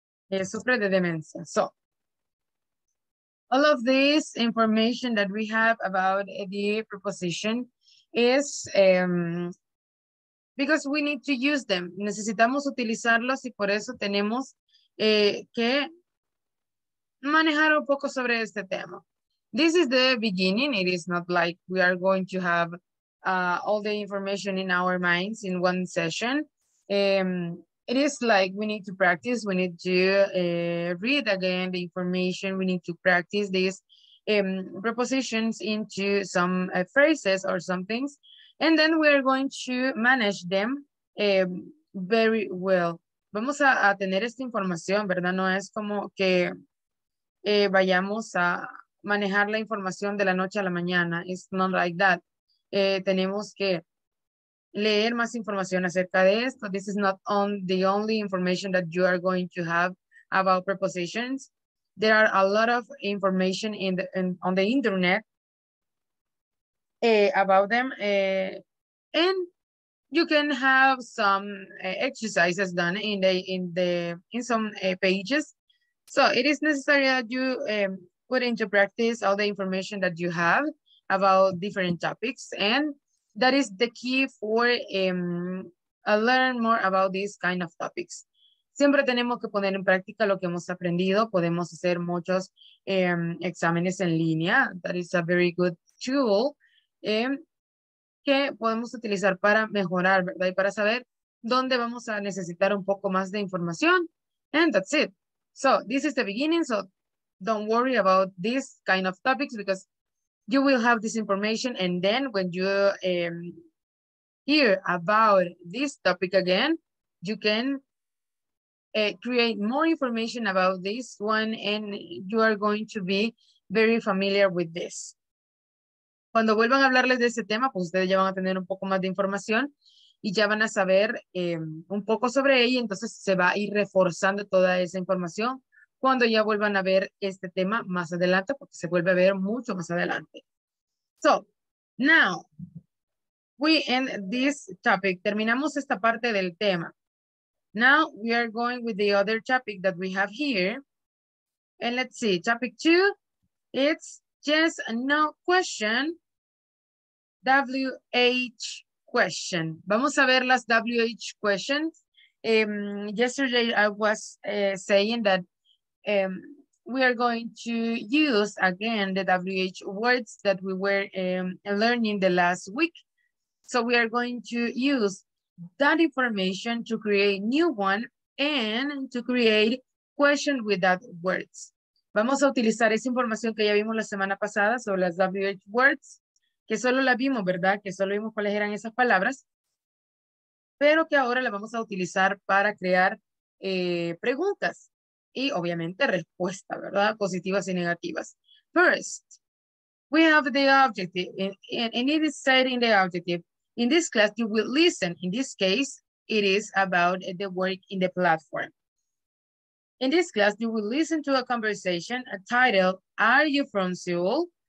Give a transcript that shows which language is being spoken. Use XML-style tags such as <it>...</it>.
<es>Ella sufre de demencia.</es> <en>So, all of this information that we have about the preposition is because we need to use them.</en> <es>Necesitamos utilizarlos y por eso tenemos que manejar un poco sobre este tema.</es> <en>This is the beginning. It is not like we are going to have all the information in our minds in one session. It is like we need to practice. We need to read again the information. We need to practice these prepositions into some phrases or some things. And then we are going to manage them very well.</en> <es>Vamos a tener esta información, ¿verdad? No es como que vayamos a manejar la información de la noche a la mañana.</es> <en>It's not like that.</en> <es>Tenemos que leer más información acerca de esto.</es> <en>This is not on the only information that you are going to have about prepositions. There are a lot of information in the on the internet about them. And you can have some exercises done in some pages. So it is necessary that you put into practice all the information that you have about different topics. And that is the key for learn more about these kind of topics.</en> <es>Siempre tenemos que poner en práctica lo que hemos aprendido. Podemos hacer muchos exámenes en línea.</es> <en>That is a very good tool</en> <es>que podemos utilizar para mejorar, ¿verdad? Y para saber dónde vamos a necesitar un poco más de información.</es> <en>And that's it. So this is the beginning. So don't worry about these kind of topics because you will have this information, and then when you hear about this topic again, you can create more information about this one, and you are going to be very familiar with this.</en> <es>Cuando vuelvan a hablarles de ese tema, pues ustedes ya van a tener un poco más de información y ya van a saber un poco sobre ella. Entonces se va a ir reforzando toda esa información cuando ya vuelvan a ver este tema más adelante, porque se vuelve a ver mucho más adelante.</es> <en>So, now, we end this topic.</en> <es>Terminamos esta parte del tema.</es> <en>Now, we are going with the other topic that we have here. And let's see, topic two, it's yes, no question, WH question.</en> <es>Vamos a ver las WH questions.</es> <en>Yesterday, I was saying that we are going to use again the WH words that we were learning the last week. So we are going to use that information to create new one and to create question with that words.</en> <es>Vamos a utilizar esa información que ya vimos la semana pasada sobre las WH words, que solo la vimos, ¿verdad? Que solo vimos cuáles eran esas palabras, pero que ahora la vamos a utilizar para crear preguntas. Y obviamente respuesta, ¿verdad? Positivas y negativas.</es> <en>First, we have the objective, and it is said in the objective. In this class, you will listen. In this case, it is about the work in the platform. In this class, you will listen to a conversation titled, Are You From Seoul?</en>